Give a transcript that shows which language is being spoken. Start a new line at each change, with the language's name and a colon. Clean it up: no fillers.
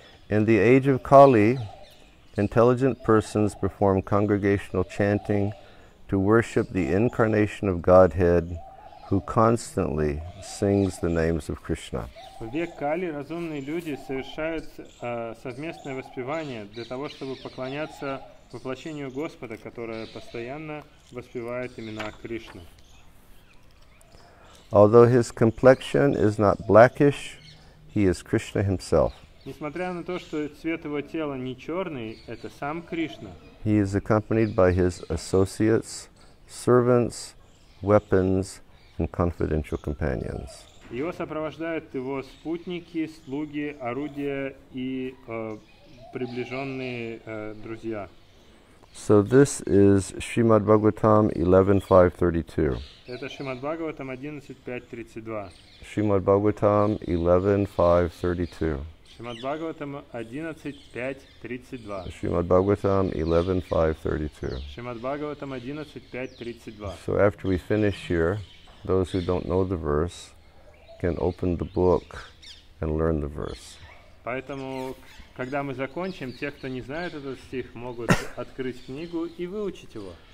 English: In the age of Kali, intelligent persons perform congregational chanting to worship the incarnation of Godhead who constantly sings the names of Krishna.
Russian: В век Кали разумные люди совершают совместное воспевание для того, чтобы поклоняться воплощению Господа, которое постоянно воспевает имена Кришны.
English: Although his complexion is not blackish, he is Krishna himself.
Russian: Несмотря на то, что цвет его тела не черный, это сам Кришна.
English: He is accompanied by his associates, servants, weapons, and confidential companions.
Russian: Его сопровождают его спутники, слуги, орудия и приближенные друзья.
English: So this is Srimad Bhagavatam 11.5.32.
Russian: Это Srimad Bhagavatam 11.5.32.
English: Srimad Bhagavatam 11.5.32. Srimad Bhagavatam 11.5.32. Srimad Bhagavatam 11.5.32. Srimad Bhagavatam 11.5.32. So after we finish here, those who don't know the verse can open the book and learn the verse.
Russian: Поэтому, когда мы закончим, те, кто не знает этот стих, могут открыть книгу и выучить его.